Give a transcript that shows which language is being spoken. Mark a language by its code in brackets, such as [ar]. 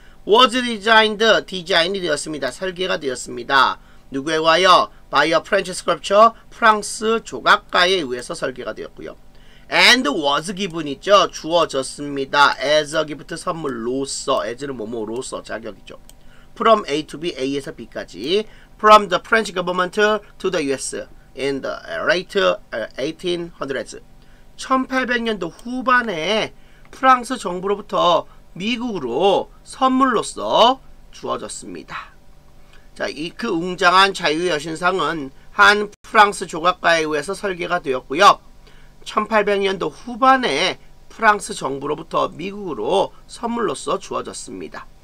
[en] Was designed, [ko] 디자인이 되었습니다. 설계가 되었습니다. 누구에 의하여? [en] By a French sculptor, [ko] 프랑스 조각가에 의해서 설계가 되었고요. [en] And was given [ko] 있죠. 주어졌습니다. [en] As a gift, [ko] 선물로서. As는 뭐뭐로서 자격이죠. From A to B, A에서 B까지. [en] From the French government to the US in the late 1800s. [ko] 1800년도 후반에 프랑스 정부로부터 미국으로 선물로써 주어졌습니다. 자, 이 그 웅장한 자유 여신상은 한 프랑스 조각가에 의해서 설계가 되었고요. 1800년도 후반에 프랑스 정부로부터 미국으로 선물로써 주어졌습니다.